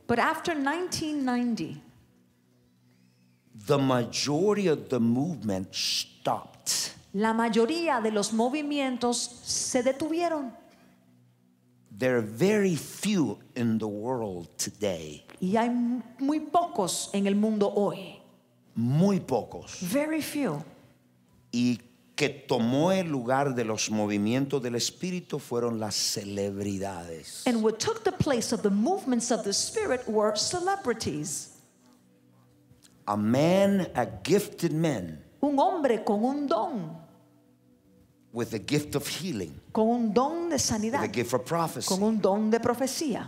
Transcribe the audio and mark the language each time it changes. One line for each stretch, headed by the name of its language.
English: But after 1990. The majority of the movement stopped.
Spanish: La mayoría de los movimientos se detuvieron.
English: There are very few in the world today.
Spanish: Y hay muy pocos en el mundo hoy. Muy pocos.
English: Very few.
Spanish: Y que tomó el lugar de los movimientos del espíritu fueron las celebridades.
English: And what took the place of the movements of the spirit were celebrities. A man, a gifted man.
Spanish: Un hombre con un don.
English: With a gift of healing.
Spanish: Con un don de sanidad.
English: With a gift of prophecy.
Spanish: Con un don de profecía.